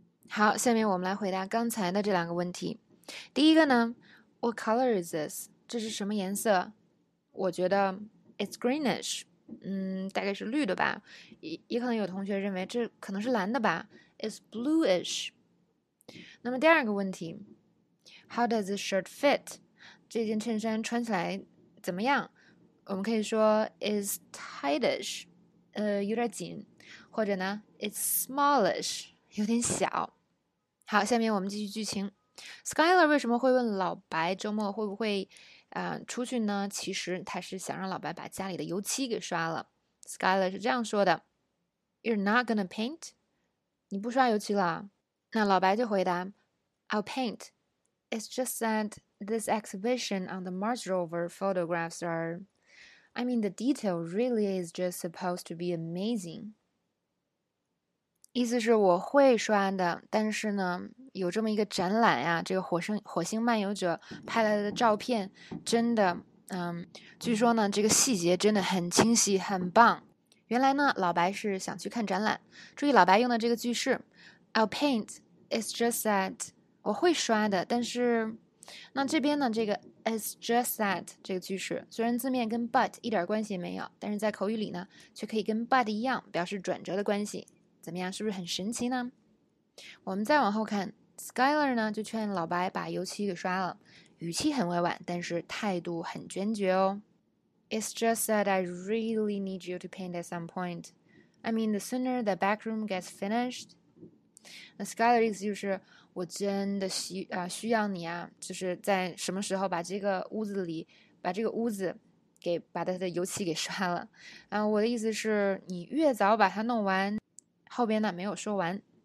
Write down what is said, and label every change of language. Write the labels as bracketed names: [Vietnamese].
[Chinese] 好，下面我们来回答刚才的这两个问题。第一个呢， [English] What color is this？ [Chinese] 这是什么颜色？我觉得 [English] it's greenish， [Chinese] 大概是绿的吧。也可能有同学认为这可能是蓝的吧， [English] it's bluish。 [Chinese] 那么第二个问题， [English] How does the shirt fit？ [Chinese] 这件衬衫穿起来怎么样？我们可以说 [English] it's tightish， [Chinese] 有点紧，或者呢， [English] it's smallish， [Chinese] 有点小。好，下面我们继续剧情。Skyler 为什么会问老白周末会不会，出去呢？其实他是想让老白把家里的油漆给刷了。 [English] Skyler [Chinese] 是这样说的：“ [English] You're not gonna paint？ [Chinese] 你不刷油漆了？” 那老白就回答： [English] “I'll paint. It's just that this exhibition on the Mars rover photographs are, I mean, the detail really is just supposed to be amazing.” [Chinese] 意思是我会刷的，但是呢，有这么一个展览呀，这个火星漫游者拍来的照片，真的，据说呢，这个细节真的很清晰，很棒。原来呢，老白是想去看展览。注意老白用的这个句式， [English] I'll paint. It's just that [Chinese] 我会刷的，但是，那这边呢，这个 it's just that 这个句式，虽然字面跟 but 一点关系也没有，但是在口语里呢，却可以跟 but 一样表示转折的关系。怎么样，是不是很神奇呢？我们再往后看，Skyler 呢就劝老白把油漆给刷了，语气很委婉，但是态度很坚决哦。 [English] It's just that I really need you to paint at some point. I mean, the sooner the back room gets finished, [Chinese] 那 Skyler 意思就是我真的需要你啊，就是在什么时候把这个屋子里把这个屋子。给把他的油漆给刷了，我的意思是你越早把它弄完，后边呢没有说完。